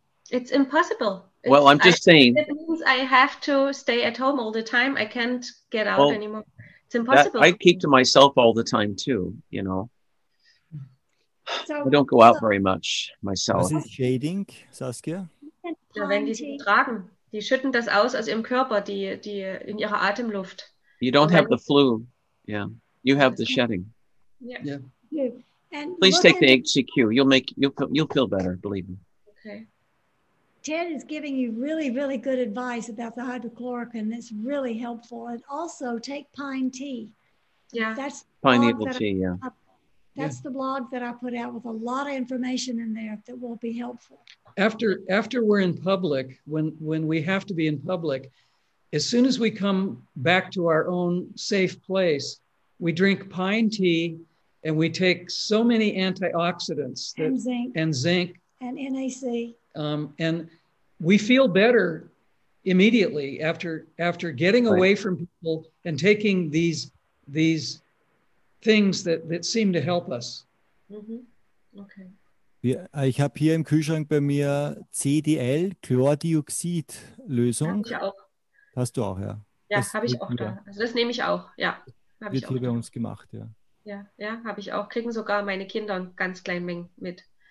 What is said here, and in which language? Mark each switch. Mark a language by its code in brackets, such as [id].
[en] It's impossible. Well, I'm just saying. It means I have to stay at home all the time. I can't get out anymore. It's impossible. I keep to myself all the time, too, you know. I don't go out very much myself. Was it shading, Saskia? [de] Ja, wenn die sie tragen. Die schütten das aus im Körper, die in ihrer Atemluft. [en] You don't have the flu. Yeah. You have the shedding. Yeah. Please take the HCQ. You'll feel better, believe me. Okay. Ted is giving you really, really good advice about the hydrochloroquine. That's really helpful. And also take pine tea. Yeah. That's pine needle tea, The blog that I put out with a lot of information in there that will be helpful. After we're in public, when we have to be in public, as soon as we come back to our own safe place, we drink pine tea and we take so many antioxidants. And zinc. And NAC. And we feel better immediately after getting away from people and taking these things that seem to help us. Mm-hmm. Okay. [de] Ich habe hier im Kühlschrank bei mir CDL, Chlordioxidlösung. Hab ich auch. Hast du auch, ja. Ja, habe ich auch da. Also das nehme ich auch, ja. Wird hier bei uns gemacht, ja. Ja, habe ich auch. Kriegen sogar meine Kinder ganz kleine Mengen mit.